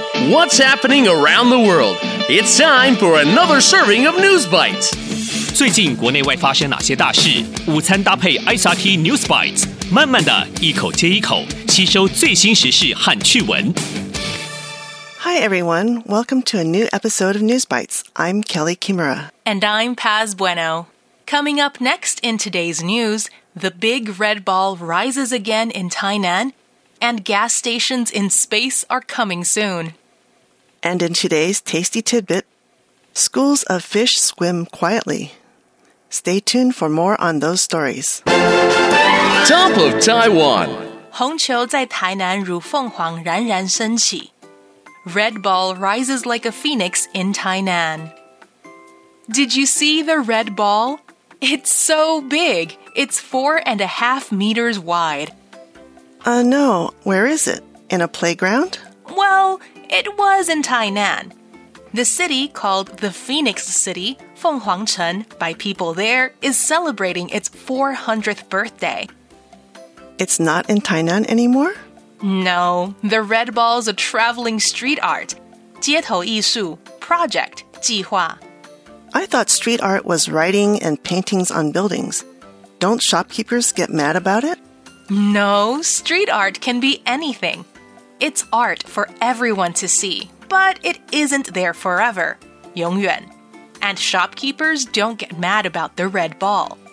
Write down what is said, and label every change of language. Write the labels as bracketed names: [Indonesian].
[English] what's happening around the world. It's time for another serving of News Bites. [Chinese] 最近国内外发生哪些大事？午餐搭配 SRT News Bites， 慢慢的一口接一口，吸收最新时事和趣闻。 [English] Hi everyone, welcome to a new episode of News Bites. I'm Kelly Kimura. And I'm Paz Bueno. Coming up next in today's news, the big red ball rises again in Tainan, and gas stations in space are coming soon. And in today's tasty tidbit, schools of fish swim quietly. Stay tuned for more on those stories. Top of Taiwan! [Chinese] 红球在台南如凤凰冉冉升起。 [English] Red ball rises like a phoenix in Tainan. Did you see the red ball? It's so big. It's 4.5 meters wide. No. Where is it? In a playground? Well, it was in Tainan. The city called the Phoenix City, Fenghuangcheng, by people there, is celebrating its 400th birthday. It's not in Tainan anymore? No, the red ball's a traveling street art. [Chinese] 街头艺术 project, 计划 [English] I thought street art was writing and paintings on buildings. Don't shopkeepers get mad about it? No, street art can be anything. It's art for everyone to see, but it isn't there forever. 永远 And shopkeepers don't get mad about the red ball.